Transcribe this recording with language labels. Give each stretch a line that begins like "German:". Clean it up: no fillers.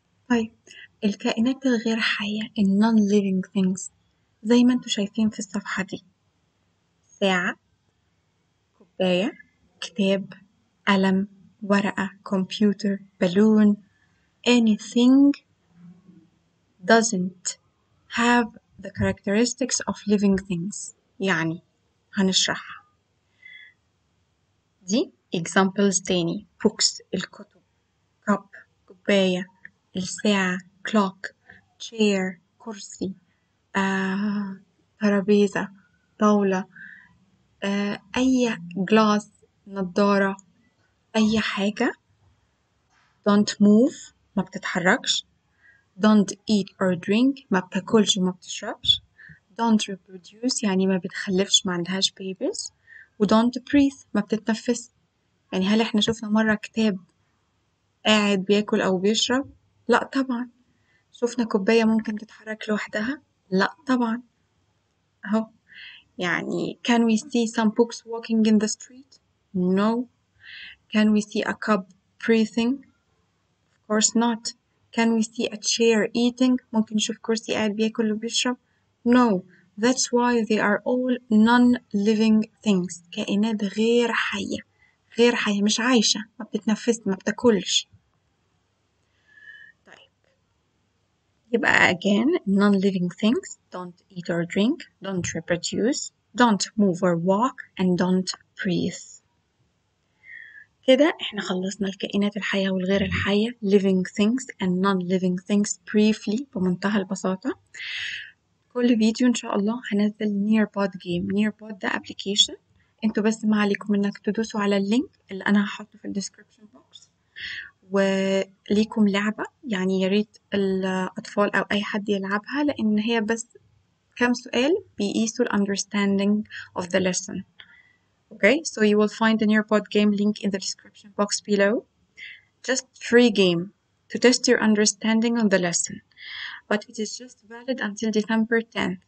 Arabic: طيب الكائنات الغير حية، الـ non-living things، زي ما انتوا شايفين في الصفحة دي: ساعة، كوباية، كتاب، قلم، ورقة، كمبيوتر، بالون.
English: anything doesn't have the characteristics of living things.
Arabic: يعني هنشرح دي examples تاني: books، الكتب، cup، كوباية، الساعة، clock، chair، كرسي، ترابيزة، طاولة، أي glass، نظارة، أي حاجة.
English: don't move،
Arabic: ما بتتحركش.
English: don't eat or drink،
Arabic: ما بتاكلش وما بتشربش.
English: don't reproduce،
Arabic: يعني ما بتخلفش، ما عندهاش babies. و
English: don't breathe،
Arabic: ما بتتنفس. يعني هل احنا شفنا مرة كتاب قاعد بياكل او بيشرب؟ لا طبعا. شفنا كوباية ممكن تتحرك لوحدها؟ لا طبعا. اهو يعني
English: can we see some books walking in the street؟ no. can we see a cup breathing؟ of course not. can we see a chair eating؟
Arabic: ممكن نشوف كرسي قاعد بياكل وبيشرب؟
English: no. that's why they are all non-living things،
Arabic: كائنات غير حية. غير حية مش عايشة، ما بتتنفس، ما بتاكلش.
English: يبقى again non-living things don't eat or drink, don't reproduce, don't move or walk, and don't breathe.
Arabic: كده احنا خلصنا الكائنات الحية والغير الحية
English: living things and non-living things
Arabic: briefly بمنتهى البساطة. كل فيديو ان شاء الله هنزل نيربود جيم. نيربود ده application، انتوا بس ما عليكم انك تدوسوا على اللينك اللي انا هحطه في الديسكريبشن بوكس، وليكم لعبة يعني ياريت الاطفال او اي حد يلعبها، لان هي بس كم سؤال بيقيسوا ال
English: understanding of the lesson. Okay, so you will find the nearpod game link in the description box below. Just free game to test your understanding on the lesson. But it is just valid until December 10th.